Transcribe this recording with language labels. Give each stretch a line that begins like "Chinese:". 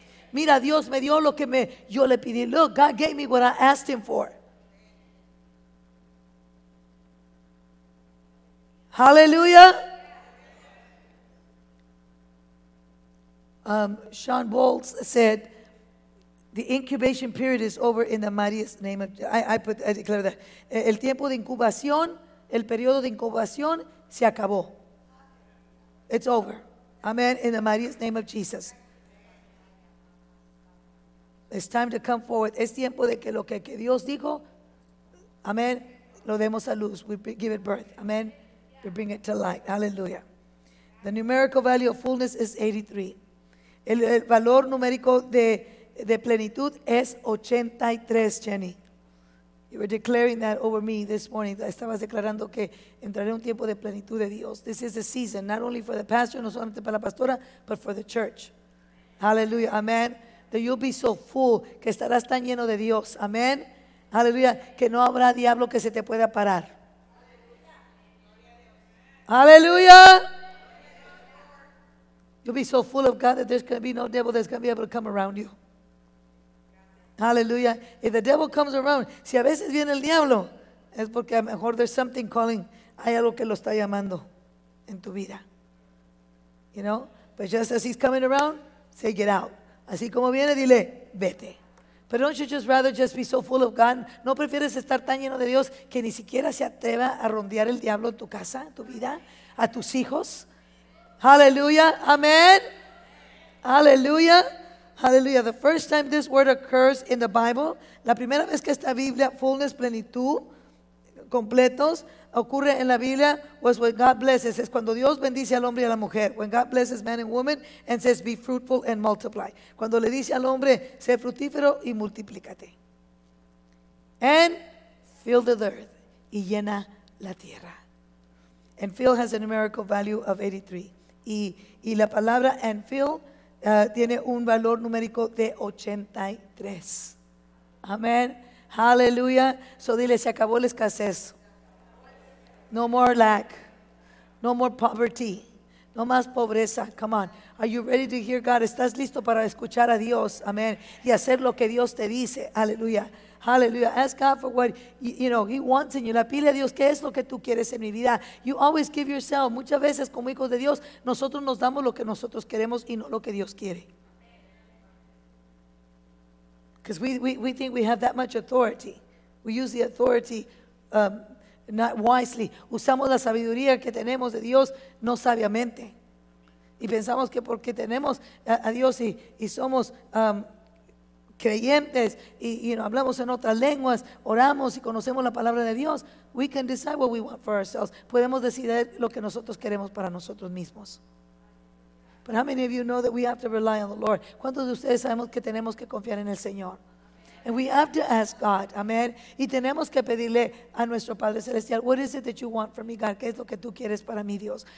Spanish: Mira, Dios me dio lo que yo le pedí.
English: Look, God gave me what I asked him for. Hallelujah. Sean Bowles said, the incubation period is over in the mightiest name of Jesus. I declare that.
Spanish: El tiempo de incubación, el periodo de incubación, se acabó.
English: It's over. Amen. In the mightiest name of Jesus. It's time to come forward.
Spanish: Es tiempo de que lo que Dios dijo, amen, lo demos a luz.
English: We give it birth. Amen. We bring it to light. Hallelujah. The numerical value of fullness is 83.
Spanish: El valor numérico de plenitud es 83,
English: Jenny. You were declaring that over me this morning.
Spanish: Estabas declarando que entraré un tiempo de plenitud de Dios.
English: This is the season, not only for the pastor,
Spanish: no solamente para la pastora,
English: but for the church.
Spanish: Hallelujah. Amen.
English: That you'll be so full,
Spanish: que estarás tan lleno de Dios. Amén. Aleluya. Que no habrá diablo que se te pueda parar. Aleluya.
English: You'll be so full of God that there's going to be no devil that's going to be able to come around you.
Spanish: Aleluya.
English: If the devil comes around,
Spanish: si a veces viene el diablo, es porque a lo mejor
English: there's something calling.
Spanish: Hay algo que lo está llamando en tu vida.
English: You know? But just as he's coming around, say get out.
Spanish: Así como viene, dile, vete.
English: But don't you just rather just be so full of God?
Spanish: ¿No prefieres estar tan lleno de Dios que ni siquiera se atreva a rondear el diablo en tu casa, en tu vida, a tus hijos? Aleluya, amén. Aleluya, aleluya.
English: The first time this word occurs in the Bible,
Spanish: la primera vez que esta Biblia, fullness, plenitud, completos, ocurre en la Biblia,
English: was when God blesses,
Spanish: es cuando Dios bendice al hombre y a la mujer.
English: When God blesses man and woman and says be fruitful and multiply.
Spanish: Cuando le dice al hombre, sé fructífero y multiplícate.
English: And fill the earth,
Spanish: y llena la tierra.
English: And fill has a numerical value of 83.
Spanish: Y la palabra and fill tiene un valor numérico de 83.
English: Amen. Hallelujah.
Spanish: So dile, se acabó la escasez.
English: No more lack, no more poverty,
Spanish: no más pobreza.
English: Come on, are you ready to hear God?
Spanish: ¿Estás listo para escuchar a Dios? Amen. Y hacer lo que Dios te dice.
English: Hallelujah, hallelujah. Ask God for what you know, he wants in you.
Spanish: La pide a Dios, ¿qué es lo que tú quieres en mi vida?
English: You always give yourself.
Spanish: Muchas veces como hijos de Dios, nosotros nos damos lo que nosotros queremos y no lo que Dios quiere.
English: Because we think we have that much authority. We use the authority not wisely.
Spanish: Usamos la sabiduría que tenemos de Dios no sabiamente. Y pensamos que porque tenemos a Dios y somos creyentes y no hablamos en otras lenguas, oramos y conocemos la palabra de Dios,
English: we can decide what we want for ourselves.
Spanish: Podemos decidir lo que nosotros queremos para nosotros mismos.
English: But how many of you know that we have to rely on the Lord?
Spanish: ¿Cuántos de ustedes sabemos que tenemos que confiar en el Señor?
English: And we have to ask God,
Spanish: amen. Y tenemos que pedirle a nuestro Padre Celestial,
English: what is it that you want from me, God?
Spanish: ¿Qué es lo que tú quieres para mí, Dios?